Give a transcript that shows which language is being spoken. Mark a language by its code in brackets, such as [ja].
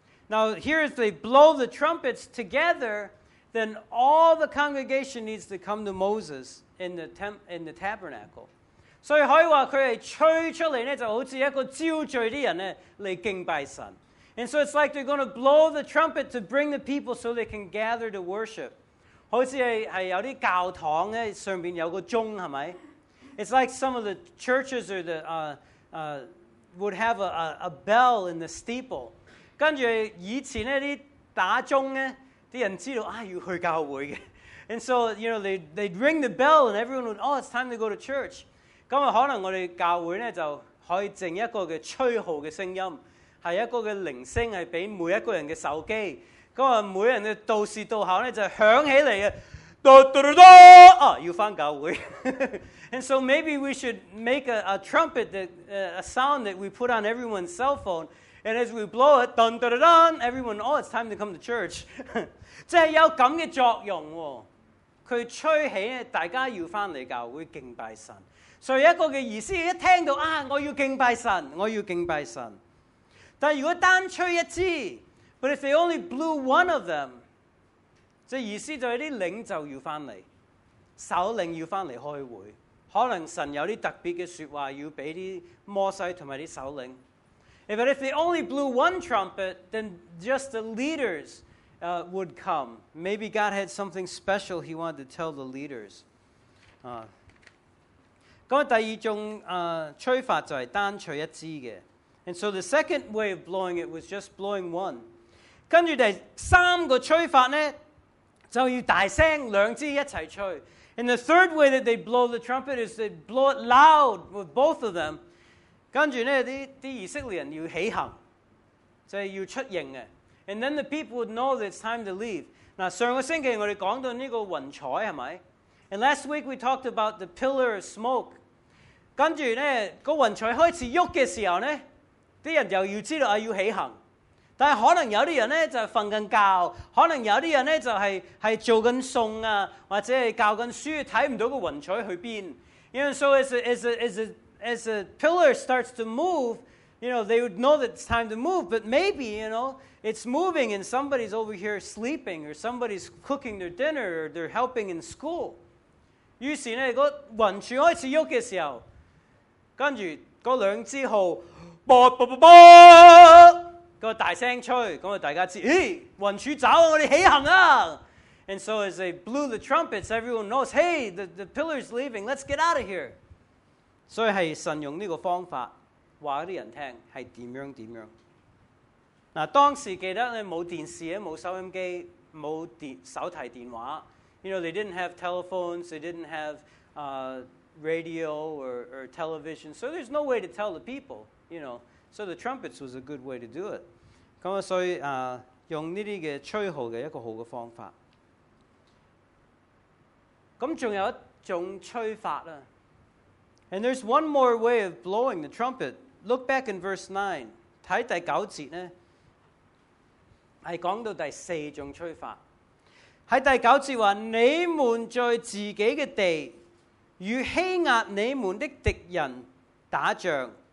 [en] Now, here if they blow the trumpets together, then all the congregation needs to come to Moses in the tabernacle. [yue] 所以可以話佢係吹出嚟呢，就好似一個招聚啲人呢嚟敬拜神。 [en] And so it's like they're going to blow the trumpet to bring the people so they can gather to worship. [yue] 好似係有啲教堂呢，上面有個鐘係咪？ [en] It's like some of the churches or would have a bell in the steeple. [yue] 跟住以前呢啲打鐘呢，啲人知道啊要去教會嘅。 [en] And so, you know, they'd ring the bell and everyone would, oh, it's time to go to church. [yue] 咁可能我哋教會呢就可以整一個嘅吹號嘅聲音，係一個嘅鈴聲，係俾每一個人嘅手機。咁每人嘅到時到候呢就響起嚟嘅。 [en] And so maybe we should make a trumpet, a sound that we put on everyone's cell phone, and as we blow it, dun, dun, dun, dun, everyone, oh, it's time to come to church. [yue] 即係有咁嘅作用喎，佢吹起大家要翻嚟教會敬拜神。所以一個嘅意思，一聽到啊，我要敬拜神，我要敬拜神。但如果單吹一支 ， [en] but if they only blew one of them。 [yue] 即意思就係啲領袖要翻嚟，首領要翻嚟開會，可能神有啲特別嘅説話要俾啲摩西同埋啲首領。 [en] But if they only blew one trumpet, then just the leaders would come. Maybe God had something special He wanted to tell the leaders. [yue] 咁第二種吹法就係單吹一支嘅。 [en] And so the second way of blowing it was just blowing one. [yue] 跟住第三個吹法呢？就要大聲兩支一齊吹。 [en] And the third way that they blow the trumpet is they blow it loud with both of them. [yue] 跟住呢啲以色列人要起行，就係要出營嘅。 [en] And then the people would know that it's time to leave. [yue] 嗱，上個星期我哋講到呢個雲彩係咪 [en] ？And last week we talked about the pillar of smoke. [yue] 跟住呢個雲彩開始喐嘅時候呢，啲人就要知道啊要起行。但可能有啲人咧就瞓緊覺，可能有啲人咧就係做緊餸啊，或者係教緊書，睇唔到個雲彩去邊。 [en] You know, so as a pillar starts to move, you know, they would know that it's time to move. But maybe, you know, it's moving and somebody's over here sleeping, or somebody's cooking their dinner, or they're helping in school. [yue] 於是咧，個雲彩開始喐嘅時候，跟住嗰兩支號，啵啵啵啵。個大聲吹，咁啊大家知，咦，雲柱走啊，我哋起行啊 [en] ！And so as they blew the trumpets, everyone knows, hey, the pillar's leaving. Let's get out of here. [yue] 所以係神用呢個方法話啲人聽係點樣點樣。嗱，當時記得咧冇電視啊，冇收音機，冇電手提電話。 [en] You know, they didn't have telephones. They didn't have radio or television. So there's no way to tell the people. You know. So the trumpets was a good way to do it. [yue] 咁啊，所以用呢啲嘅吹號嘅一個好嘅方法。咁仲有一種吹法啦。 [en] And there's one more way of blowing the trumpet. Look back in verse 9. [yue] 睇第九節咧，係講到第四種吹法。喺第九節話：你們在自己嘅地與欺壓你們的敵人打仗。